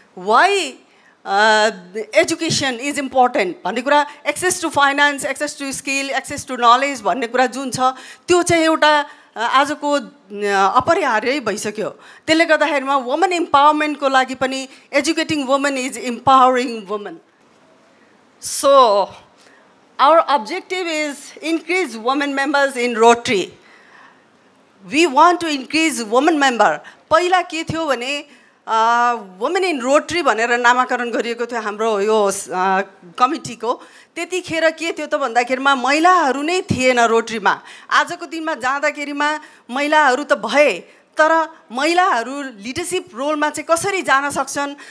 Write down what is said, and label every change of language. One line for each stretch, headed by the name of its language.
English: Why education is important?
Nepali: भन्ने कुरा access to finance, access to skill, access to knowledge भन्ने कुरा जुन छ त्यो चाहिँ एउटा आजको अपरिहार्यै भइसक्यो। त्यसले गर्दाखेरिमा वुमन इम्पावरमेन्टको लागि पनि
English: Educating woman is empowering woman. So our objective is increase woman members in Rotary. We want to increase woman member.
Nepali: पहिला के थियो भने वुमेन इन रोटरी भनेर नामाकरण गरिएको थियो हाम्रो यो कमिटीको। त्यतिखेर के थियो त भन्दाखेरिमा महिलाहरू नै थिएन रोटरीमा। आजको दिनमा जाँदाखेरिमा महिलाहरू त भए तर महिलाहरू लिडरसिप रोलमा चाहिँ कसरी जान सक्छन्?